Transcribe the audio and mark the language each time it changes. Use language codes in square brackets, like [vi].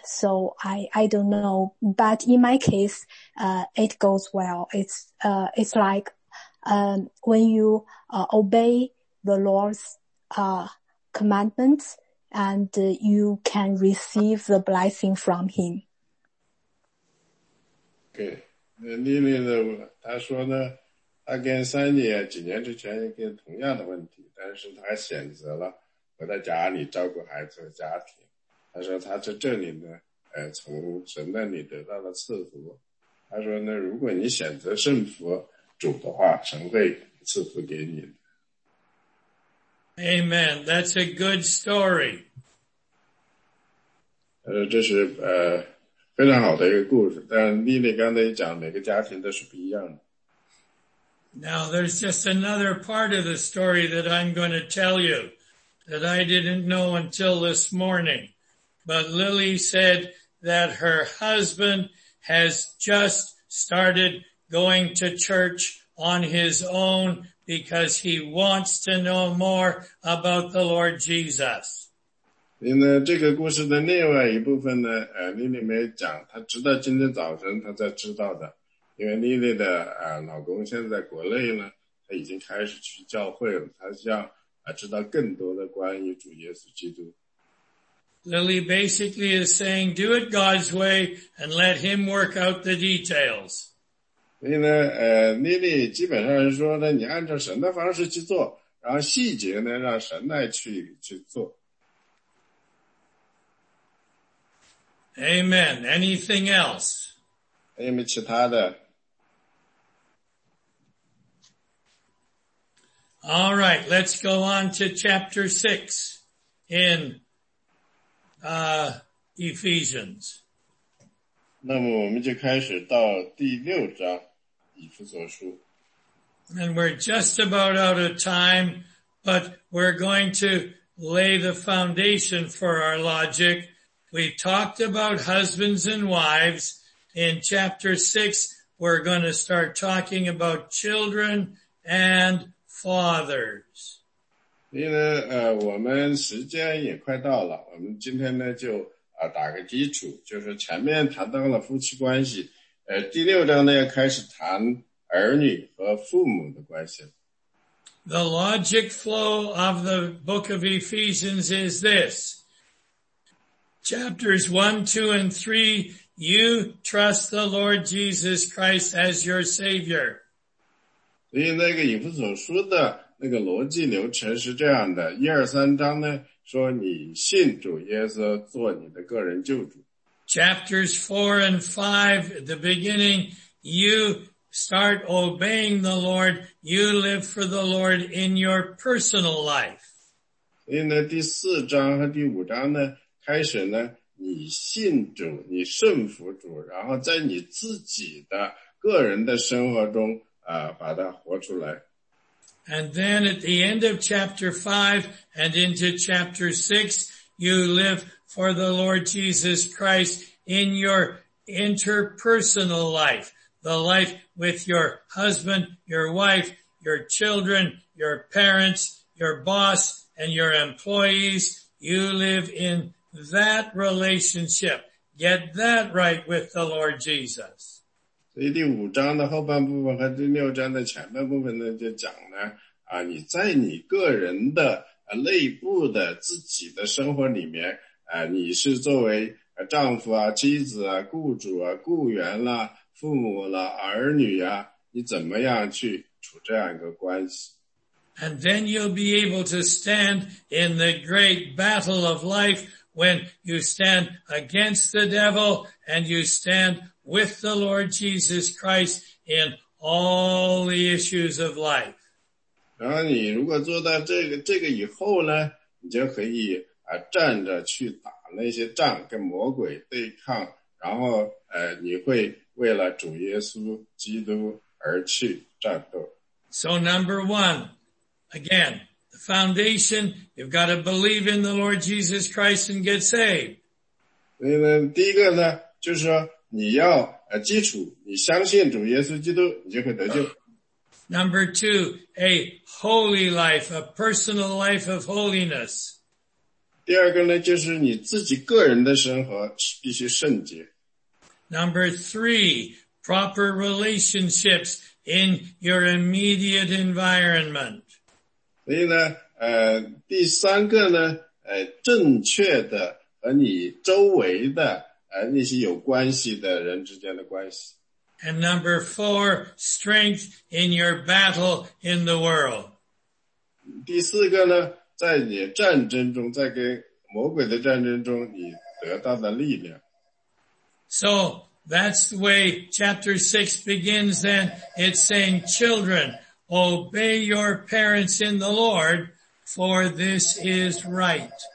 [en] So I don't know. But in my case, it goes well. It's like, when you, obey the Lord's, commandments and you can receive the blessing from him. Okay. [zh] 丽丽呢，她说呢，她跟三姐几年之前也跟同样的问题，但是她选择了回到家里照顾孩子和家庭。她说她在这里呢，从神那里得到了赐福。她说呢，如果你选择顺服主的话，神会赐福给你。 [en] Amen. That's a good story. [zh] 这是非常好的一个故事，但丽丽刚才讲每个家庭都是不一样的。 [en] Now there's just another part of the story that I'm going to tell you that I didn't know until this morning. But Lily said that her husband has just started going to church on his own because he wants to know more about the Lord Jesus. [zh] 因为这个故事的另外一部分呢，丽丽没讲，她直到今天早晨她才知道的。因为丽丽的老公现在国内呢，他已经开始去教会了，他想知道更多的关于主耶稣基督。 [en] Lily basically is saying, "Do it God's way and let Him work out the details." [zh] 所以呢，丽丽基本上是说呢，你按照神的方式去做，然后细节呢，让神来去做。 [en] Amen. Anything else? [zh] 还有没有其他的? [en] All right, let's go on to chapter 6 in Ephesians. [zh] 那么我们就开始到第六章以弗所书。 [en] And we're just about out of time, but we're going to lay the foundation for our logic. We talked about husbands and wives. In chapter 6, we're going to start talking about children and fathers. [zh] 所以呢，我们时间也快到了，我们今天呢就打个基础，就是前面谈到了夫妻关系，第六章呢要开始谈儿女和父母的关系。 [en] The logic flow of the book of Ephesians is this. Chapters 1, 2, and 3, you trust the Lord Jesus Christ as your Savior. [zh] 所以那个以弗所书的那个逻辑流程是这样的。一二三章呢说你信主耶稣做你的个人救主。 [en] Chapters 4 and 5, the beginning, you start obeying the Lord, you live for the Lord in your personal life. [zh] 所以呢第四章和第五章呢开始呢你信主你顺服主然后在你自己的个人的生活中把它活出来。 [en] And then at the end of chapter 5 and into chapter 6, you live for the Lord Jesus Christ in your interpersonal life. The life with your husband, your wife, your children, your parents, your boss, and your employees. You live in that relationship. Get that right with the Lord Jesus. [zh] 所以第五章的后半部分和第六章的前半部分呢就讲呢你在你个人的内部的自己的生活里面你是作为丈夫啊妻子啊雇主啊雇员啦父母啦儿女啊你怎么样去处这样一个关系。 [en] And then you'll be able to stand in the great battle of life when you stand against the devil and you stand with the Lord Jesus Christ in all the issues of life. [zh] 然后你如果做到这个以后呢你就可以站着去打那些仗跟魔鬼对抗然后你会为了主耶稣基督而去战斗。 [en] So number one, again, the foundation, you've got to believe in the Lord Jesus Christ and get saved. [zh] 所以呢第一个呢就是说你要基础你相信主耶稣基督你就会得救。 [en] Number two, a holy life, a personal life of holiness. [zh] 第二个呢就是你自己个人的生活必须圣洁。 [en] Number three, proper relationships in your immediate environment. [zh] 所以呢第三个呢正确的和你周围的那些有关系的人之间的关系。 [en] And number four, strength in your battle in the world. [zh] 第四个呢，在你战争中，在跟魔鬼的战争中，你得到的力量。 [en] So that's the way chapter 6 begins then. It's saying, children, obey your parents in the Lord, for this is right.